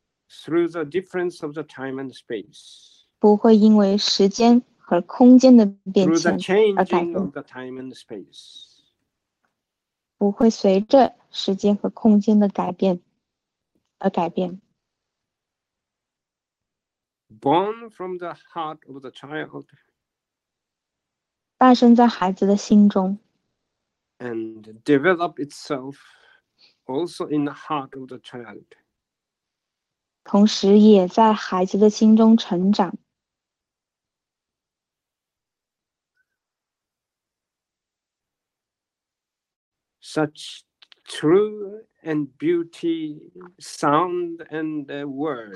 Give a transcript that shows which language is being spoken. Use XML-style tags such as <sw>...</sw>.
<en>Through the difference of the time and space.</en> <zh>不会因为时间和空间的变迁而改变。</zh> <en>The time and space.</en> <zh>不会随着时间和空间的改变而改变。</zh> <en>Born from the heart of the child.</en> <zh>诞生在孩子的心中。</zh> <en>And develop itself also in the heart of the child.</en> <zh>同时也在孩子的心中成长。</zh> <en>Such true and beauty, sound and words.</en>